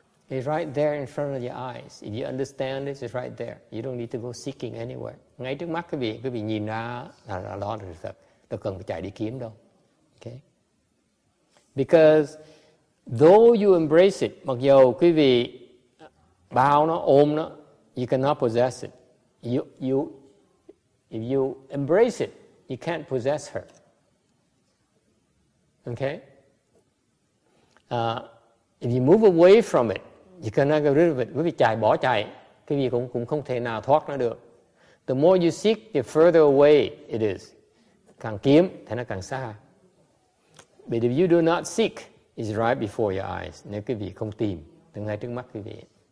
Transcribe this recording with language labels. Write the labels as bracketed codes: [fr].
[en] It's right there in front of your eyes. If you understand this, it's right there. You don't need to go seeking anywhere. [vi] Ngay trước mắt quý vị nhìn ra là đó là sự thật. Đâu cần phải chạy đi kiếm đâu. [en] Okay? Because though you embrace it, [vi] mặc dù quý vị bao nó, ôm nó, [en] you cannot possess it. If you embrace it, you can't possess her. Okay? If you move away from it, you cannot get rid of it. [vi] Quý vị chạy, bỏ chạy, quý vị cũng không thể nào thoát nó được. [en] The more you seek, the further away it is. [vi] Càng kiếm, thì nó càng xa. [en] But if you do not seek, it's right before your eyes. [vi] Nếu quý vị không tìm, thì ngay trước mắt quý vị.